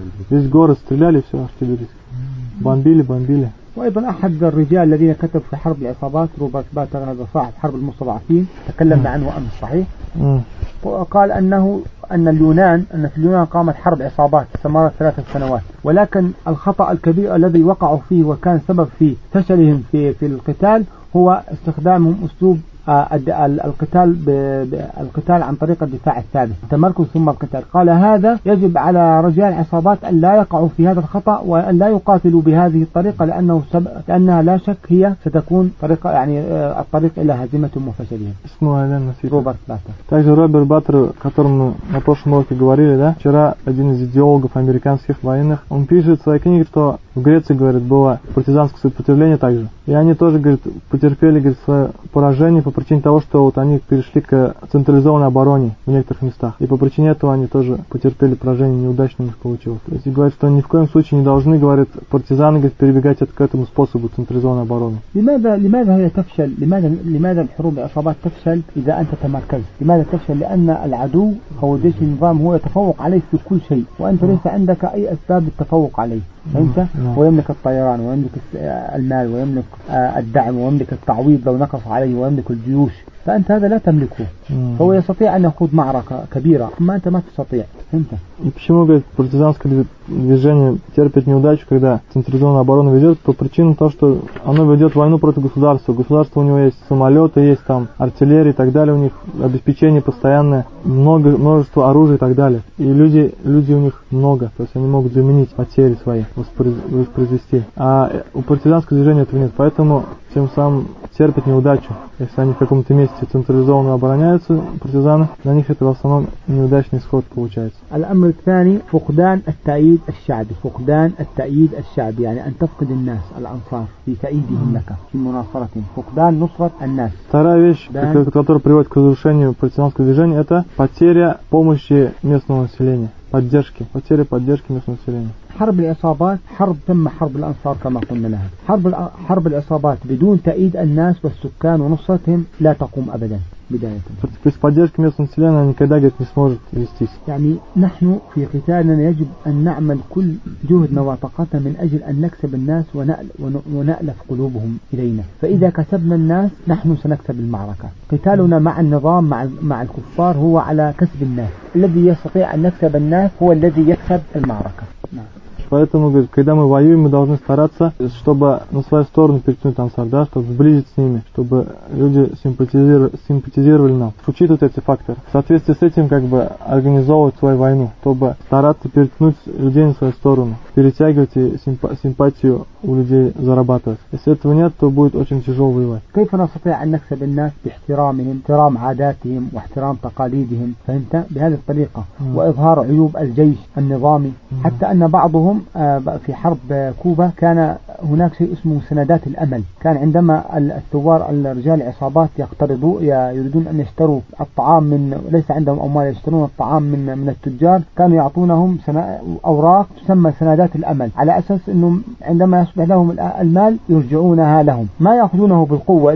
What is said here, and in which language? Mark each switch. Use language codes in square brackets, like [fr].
[ru] Весь город стреляли, все артиллерийский. Бомбили. [ar] وأيضا أحد الرجال الذين كتب في حرب العصابات روبرت باتر هذا صاحب حرب المستضعفين تكلمنا عنه أمس صحيح وقال أنه أن اليونان أن في اليونان قامت حرب عصابات استمرت 3 سنوات ولكن الخطأ الكبير الذي وقعوا فيه وكان سبب في فشلهم في القتال هو استخدامهم أسلوب القتال بالقتال عن طريق الدفاع الثالث التمركز ثم القتال. قال هذا يجب على رجال العصابات أن لا يقعوا في هذا الخطأ وأن لا يقاتلوا بهذه الطريقة لأنها لا شك هي ستكون طريقة يعني الطريق إلى هزيمة وفشلهم. اسمه هذا نسيت. روبرت باتر. [ru] также Роберт Батер, которому на прошлом уроке говорили, да, вчера один из идеологов американских военных, он пишет в своей книге, что в Греции, говорит, было партизанское сопротивление также, и они тоже, говорит, потерпели, говорит, свое поражение по причине того, что вот они перешли к централизованной обороне в некоторых местах. И по причине этого они тоже потерпели поражение, неудачно у них получилось. То есть говорят, что ни в коем случае не должны, говорят, партизаны, говорят, перебегать к этому способу централизованной обороны. [ar] لماذا هي تفشل؟ لماذا الحروب العصابات تفشل إذا أنت تمركز؟ لماذا تفشل؟ لأن العدو هو جيش النظام هو يتفوق عليه في كل شيء وأنت ليس عندك أي أسباب للتفوق عليه. أنت ويملك الطيران ويملك المال ويملك الدعم ويملك التعويض لو نقص عليه ويملك الجيوش فأنت هذا لا تملكه فهو يستطيع أن يخوض معركة كبيرة أما أنت ما تستطيع أنت. [ru] почему говорит партизанское движение терпит неудачу когда централизованная оборона ведет по причине того что оно ведет войну против государства государство у него есть самолеты есть там артиллерия и так далее у них обеспечение постоянное множество оружия и так далее и люди у них много то есть они могут заменить потери свои воспроизвести а у партизанского движения этого нет поэтому тем самым терпят неудачу если они в каком-то месте централизованно обороняются партизаны на них это в основном неудачный исход получается. [ar] الأمر الثاني فقدان التأييد الشعبي فقدان التأييد الشعبي يعني أن تفقد الناس الأنصار في تأييدهم لك في مناصرة فقدان نصرة الناس. [ru] вторая вещь, которая приводит к разрушению партизанского движения, это потеря помощи местного населения. поддержки, потери поддержки местного населения. [ar] حرب العصابات حرب تم حرب الأنصار كما قلنا لها حرب العصابات بدون تأييد الناس والسكان ونصرتهم لا تقوم أبدا بداية [ru] без поддержки местного населения она никогда не сможет вестись. [ar] يعني نحن في قتالنا يجب أن نعمل كل جهدنا وطاقتنا من أجل أن نكسب الناس ونألف قلوبهم إلينا. فإذا كسبنا الناس نحن سنكسب المعركة. قتالنا مع النظام مع الكفار هو على كسب الناس. الذي يستطيع أن يكسب الناس هو الذي يكسب المعركة. [ru] Поэтому, говорит, когда мы воюем, мы должны стараться, чтобы на свою сторону перетянуть ансар, да, чтобы сблизить с ними, чтобы люди симпатизировали нам, учитывать эти факторы. В соответствии с этим, как бы, организовывать свою войну, чтобы стараться перетянуть людей на свою сторону, перетягивать и симпатию у людей зарабатывать. Если этого нет, то будет очень тяжело воевать. [ar] كيف نستطيع أن نكسب الناس باحترامهم, احترام عاداتهم واحترام تقاليدهم, فهمت؟ بهذه الطريقة وإظهار عيوب الجيش النظامي حتى أن بعضهم في حرب كوبا كان هناك شيء اسمه سندات الأمل. كان عندما الثوار الرجال العصابات يقترضوا يريدون أن يشتروا الطعام من ليس عندهم أموال يشترون الطعام من التجار, كانوا يعطونهم أوراق تسمى سندات الأمل على أساس أنه عندما يصبح لهم المال يرجعونها لهم, ما يأخذونه بالقوة.